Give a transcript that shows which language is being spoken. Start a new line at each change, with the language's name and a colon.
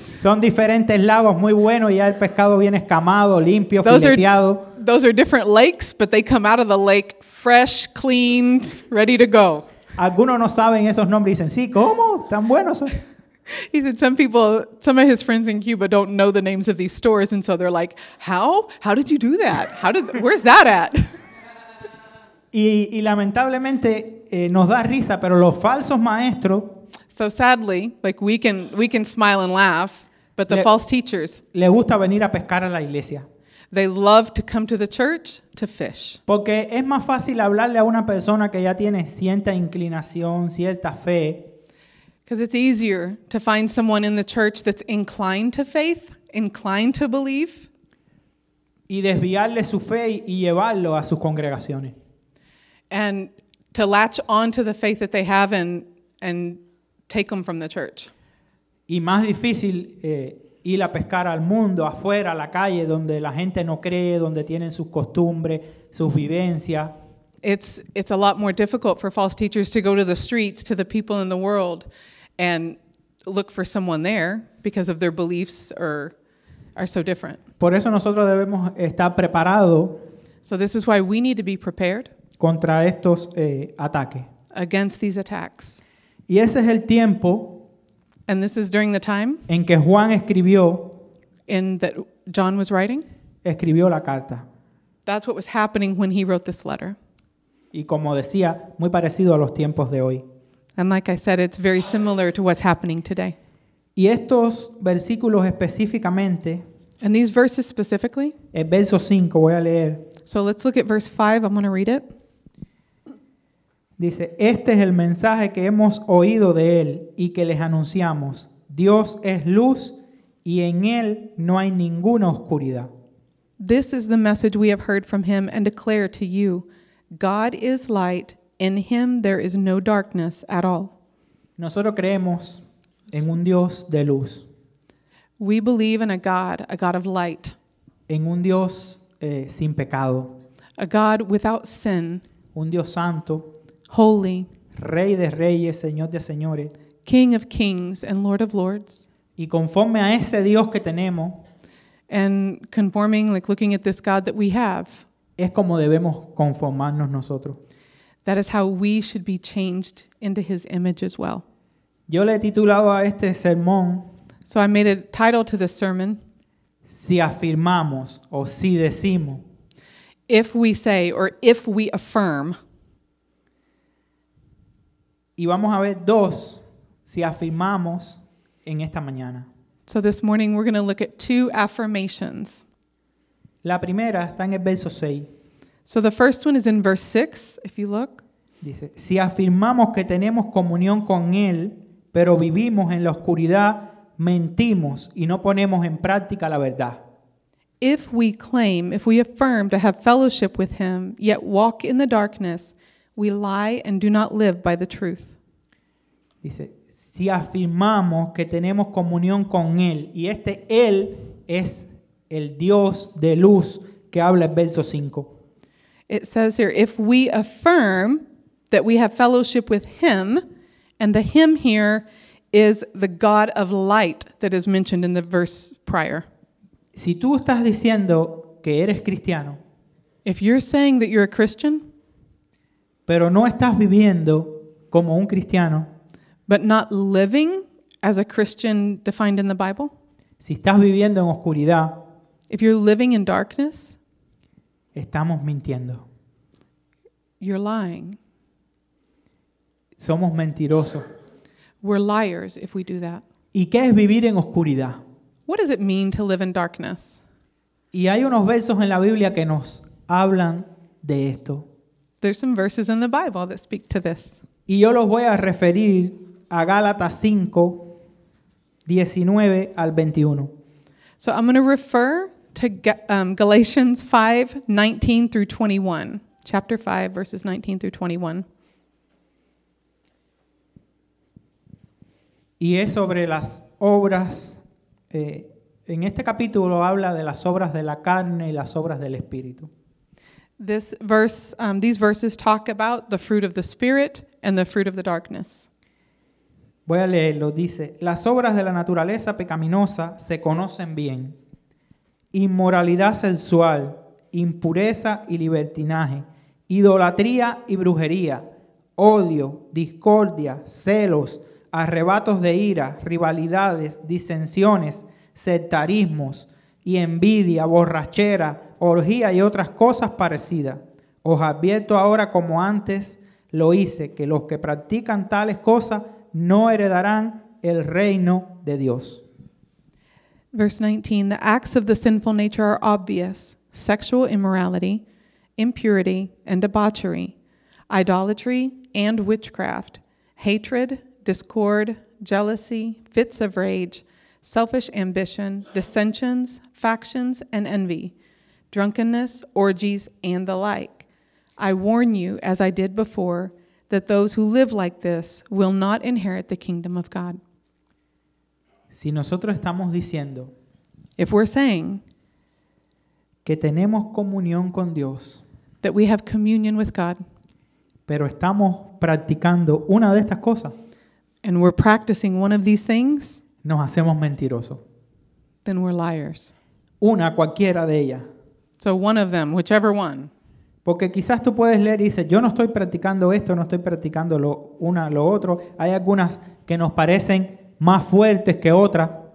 Spanish: Son diferentes lagos, muy buenos. Ya el pescado viene escamado, limpio, fileteado.
English: Those are different lakes, but they come out of the lake fresh, cleaned, ready to go.
Spanish: Algunos no saben esos nombres y dicen, sí, ¿cómo? Tan buenos.
English: He said some of his friends in Cuba don't know the names of these stores, and so they're like, how? How did you do that? Where's that at?
Spanish: Y lamentablemente nos da risa, pero los falsos maestros.
English: So sadly, like we can smile and laugh, but the false teachers.
Spanish: Le gusta venir a pescar a la iglesia.
English: They love to come to the church to fish.
Spanish: Porque es más fácil hablarle a una persona que ya tiene cierta inclinación, cierta fe.
English: Because it's easier to find someone in the church that's inclined to faith, inclined to believe.
Spanish: Y desviarle su fe y llevarlo a sus congregaciones.
English: And to latch on to the faith that they have and take them from the church.
Spanish: Y más difícil ir a pescar al mundo, afuera, a la calle, donde la gente no cree, donde tienen sus costumbres, sus vivencias.
English: It's a lot more difficult for false teachers to go to the streets, to the people in the world, and look for someone there because of their beliefs are so different.
Spanish: Por eso nosotros debemos estar preparados.
English: So this is why we need to be prepared.
Spanish: Contra estos ataques.
English: Against these attacks.
Spanish: Y ese es el tiempo.
English: And this is during the time.
Spanish: En que Juan escribió.
English: In that John was writing.
Spanish: Escribió la carta.
English: That's what was happening when he wrote this letter.
Spanish: Y como decía, muy parecido a los tiempos de hoy.
English: And like I said, it's very similar to what's happening today.
Spanish: Y estos versículos específicamente.
English: And these verses specifically.
Spanish: El verso 5 voy a leer.
English: So let's look at verse 5. I'm going to read it.
Spanish: Dice, este es el mensaje que hemos oído de él y que les anunciamos. Dios es luz y en él no hay ninguna oscuridad.
English: This is the message we have heard from him and declare to you. God is light. In him there is no darkness at all.
Spanish: Nosotros creemos en un Dios de luz.
English: We believe in a God of light.
Spanish: En un Dios sin pecado.
English: A God without sin.
Spanish: Un Dios santo.
English: Holy.
Spanish: Rey de reyes, Señor de señores.
English: King of kings and Lord of lords.
Spanish: Y conforme a ese Dios que tenemos.
English: And conforming, like looking at this God that we have.
Spanish: Es como debemos conformarnos nosotros.
English: That is how we should be changed into his image as well.
Spanish: Yo le he titulado a este sermón.
English: So I made a title to this sermon.
Spanish: Si afirmamos o si decimos.
English: If we say or if we affirm.
Spanish: Y vamos a ver dos, si afirmamos, en esta mañana.
English: So this morning we're going to look at two affirmations.
Spanish: La primera está en el verso 6.
English: So the first one is in verse 6, if you look.
Spanish: Dice, si afirmamos que tenemos comunión con Él, pero vivimos en la oscuridad, mentimos y no ponemos en práctica la verdad.
English: If we claim, if we affirm to have fellowship with Him, yet walk in the darkness, we lie and do not live by the truth.
Spanish: Dice, si afirmamos que tenemos comunión con Él, y este Él es el Dios de luz que habla el verso 5.
English: It says here, if we affirm that we have fellowship with Him, and the Him here is the God of light that is mentioned in the verse prior.
Spanish: Si tú estás diciendo que eres cristiano,
English: if you're saying that you're a Christian,
Spanish: pero no estás viviendo como un cristiano,
English: but not living as a Christian defined in the Bible,
Spanish: si estás viviendo en oscuridad,
English: if you're living in darkness,
Spanish: estamos mintiendo.
English: You're lying.
Spanish: Somos mentirosos.
English: We're liars if we do that.
Spanish: ¿Y qué es vivir en oscuridad?
English: What does it mean to live in darkness?
Spanish: Y hay unos versos en la Biblia que nos hablan de esto.
English: There's some verses in the Bible that speak to this.
Spanish: Y yo los voy a referir a Gálatas 5, 19 al 21.
English: So I'm going to refer to Galatians 5, 19 through 21. Chapter 5, verses 19 through 21.
Spanish: Y es sobre las obras, en este capítulo habla de las obras de la carne y las obras del espíritu.
English: This verse, these verses talk about the fruit of the spirit and the fruit of the darkness.
Spanish: Voy a leerlo, dice, las obras de la naturaleza pecaminosa se conocen bien. Inmoralidad sexual, impureza y libertinaje, idolatría y brujería, odio, discordia, celos, arrebatos de ira, rivalidades, disensiones, sectarismos y envidia, borrachera, orgía y otras cosas parecidas. Os advierto ahora como antes lo hice, que los que practican tales cosas no heredarán el reino de Dios.
English: Verse 19, the acts of the sinful nature are obvious, sexual immorality, impurity and debauchery, idolatry and witchcraft, hatred, discord, jealousy, fits of rage, selfish ambition, dissensions, factions, and envy, drunkenness, orgies, and the like. I warn you, as I did before, that those who live like this will not inherit the kingdom of God.
Spanish: Si nosotros estamos diciendo,
English: if we're saying
Spanish: que tenemos comunión con Dios,
English: that we have communion with God,
Spanish: pero estamos practicando una de estas cosas,
English: and we're practicing one of these things,
Spanish: nos hacemos mentirosos.
English: Then we're liars.
Spanish: Una cualquiera de ellas.
English: So one of them, whichever one.
Spanish: Porque quizás tú puedes leer y dices, yo no estoy practicando esto, no estoy practicando lo una, lo otro. Hay algunas que nos parecen más fuertes que otras.